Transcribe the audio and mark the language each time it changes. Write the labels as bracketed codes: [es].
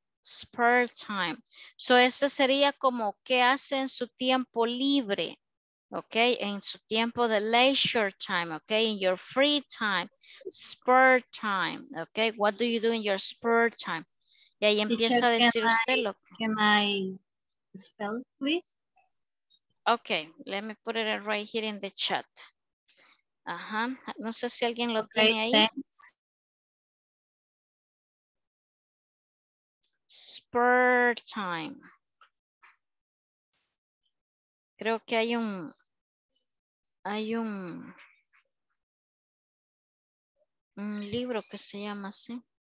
[en] Spare time. So, [es] este sería como qué hace en su tiempo libre, ok, en su tiempo de [en] leisure time, ok, in your free time, spare time, ok, what do you do in your spare time? [es] Y ahí empieza teacher, a decir usted lo que. [en] Can I spell, please? Ok, let me put it right here in the chat. [es] Ajá, no sé si alguien lo okay, tiene ahí. Thanks. [en] Spur time. [es] Creo que hay un libro que se llama así.